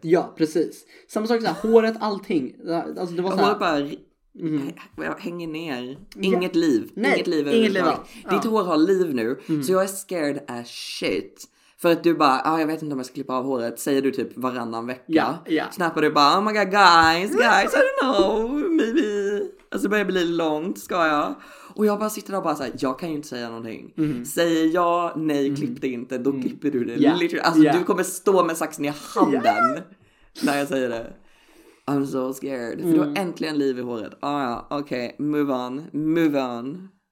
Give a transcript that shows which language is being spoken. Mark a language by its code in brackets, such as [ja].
[sv] Ja, precis. Samma sak såhär, håret, allting. Alltså det var såhär, håret bara hänger ner. Inget liv. Nej, inget liv. Ditt hår har liv nu. Så jag är [en] scared as shit. [sv] För att du bara, jag vet inte om jag ska klippa av håret, säger du typ varannan vecka. Snappar du bara, [en] oh my god, guys, I don't know, maybe. [sv] Alltså börjar bli långt, ska jag. Och jag bara sitter där och bara såhär, jag kan ju inte säga någonting. Säger jag nej, klipp det inte, då klipper du det. Alltså du kommer stå med saxen i handen när jag säger det. [en] I'm so scared. [sv] För du har äntligen liv i håret. [en] Okej, move on.